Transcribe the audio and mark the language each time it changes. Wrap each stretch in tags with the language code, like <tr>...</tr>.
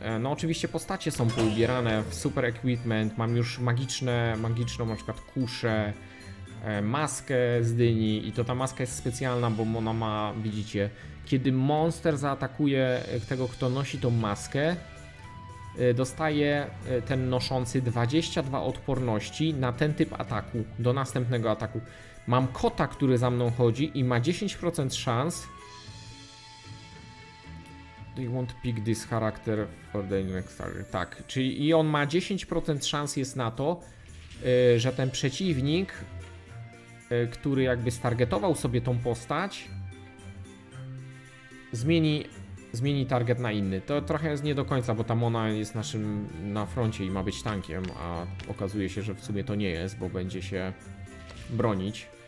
<pl>No oczywiście postacie są poubierane w super equipment, mam już magiczną na przykład kuszę, maskę z dyni i to ta maska jest specjalna, bo ona ma, widzicie, kiedy monster zaatakuje tego, kto nosi tą maskę, dostaje ten noszący 22 odporności na ten typ ataku, do następnego ataku. Mam kota, który za mną chodzi i ma 10% szans.</pl> <en>They won't pick this character for the next target.</en> <pl>Tak, czyli i on ma 10% szans jest na to, że ten przeciwnik, który jakby stargetował sobie tą postać, zmieni target na inny. To trochę jest nie do końca, bo ta Mona jest naszym na froncie i ma być tankiem, a okazuje się, że w sumie to nie jest, bo będzie się bronić.</pl>